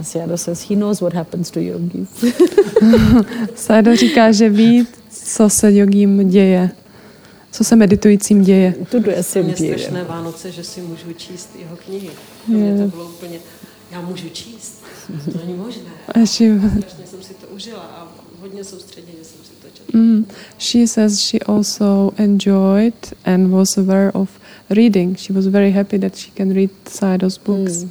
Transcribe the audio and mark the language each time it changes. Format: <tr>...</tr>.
<en>Sayadaw says he knows what happens to yogis.</en> <cs>Sayadaw říká, že ví, co se yogím děje, co se meditujícím děje. To je strašné Vánoce, že si můžu číst jeho knihy. Yeah. To bylo úplně, já můžu číst, to není možné. Strašně jsem si to užila a hodně soustředěně jsem si to četla. Mm.</cs> <en>She says she also enjoyed and was aware of reading. She was very happy that she can read Sayadaw's books.</en>